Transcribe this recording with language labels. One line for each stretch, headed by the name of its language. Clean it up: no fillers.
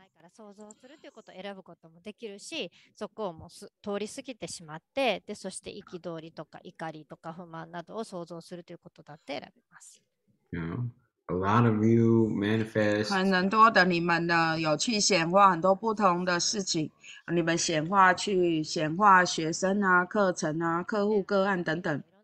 Japanese: 想像するということを選ぶこともできるし、そこをもう通り過ぎてしまって、でそして憤りとか怒りとか不満などを想像するということだって選びます。
English: You know, a lot of you manifest.
Chinese: 可能多的你们呢，有去显化很多不同的事情，你们显化去显化学生啊、课程啊、客户个案等等。